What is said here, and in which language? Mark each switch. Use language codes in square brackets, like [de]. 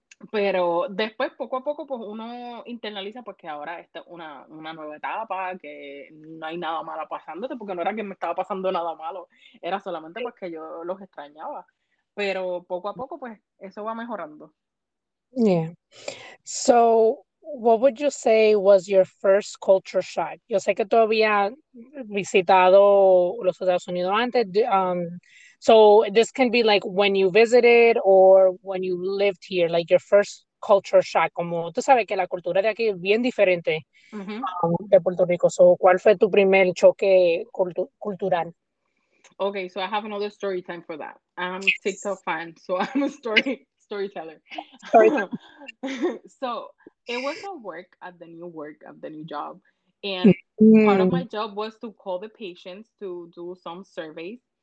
[es] pero después, poco a poco, pues uno internaliza porque ahora está una nueva etapa, que no hay nada malo pasándote, porque no era que me estaba pasando nada malo, era solamente porque yo los extrañaba. Pero poco a poco, pues, eso va mejorando. [en] Yeah. So, what would you say was your first culture shock? [es] Yo sé que tú habías visitado los Estados Unidos antes. [en] So this can be like when you visited or when you lived here, like your first culture shock. [es] Como tú sabes que la cultura de aquí es bien diferente de Puerto Rico. So ¿cuál fue tu primer choque cultural? [en] Okay, so I have another story time for that. I'm a TikTok fan, so I'm a storyteller. So it was a work at the new work of the new job. And part of my job was to call the patients to do some surveys.